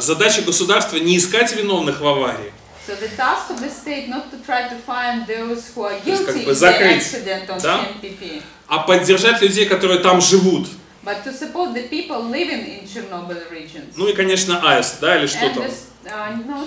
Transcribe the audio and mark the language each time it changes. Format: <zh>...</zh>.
<ru>Задача государства не искать виновных в аварии.</ru> <en>So the task of the state not to try to find those who are guilty,</en> <ru>как бы закрыть,</ru> <en>the accident on</en> <ru>да?</ru> <en>CMPP.</en> <ru>А поддержать людей, которые там живут.</ru> <en>But to support the people living in Chernobyl regions.</en> <ru>Ну и, конечно, АЭС, да, или что там.</ru>